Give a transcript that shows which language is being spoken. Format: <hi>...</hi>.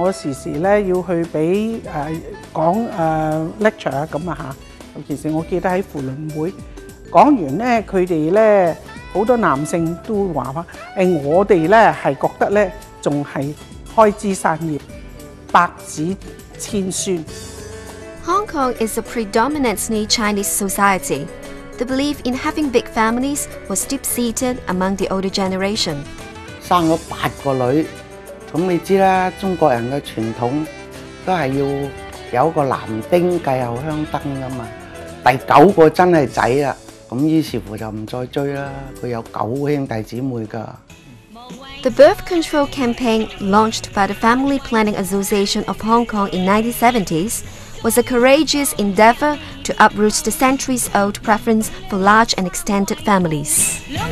<zh>我時時呢要去給講lecture， 尤其是我記得在婦聯會講完呢，他們呢很多男性都說、我們呢是覺得呢還是開枝散葉，百子千孫。</zh> <en>Hong Kong is a predominantly Chinese society. The belief in having big families was deep-seated among the older generation.</en> <zh>生了八個女兒，那你知道中國人的傳統都是要有一個男丁繼後香燈的嘛。第九個真是仔了，那於是乎就不再追了，他有九兄弟姊妹的。</zh> <en>The birth control campaign launched by the Family Planning Association of Hong Kong in 1970sWas a courageous endeavor to uproot the centuries-old preference for large and extended families.</en>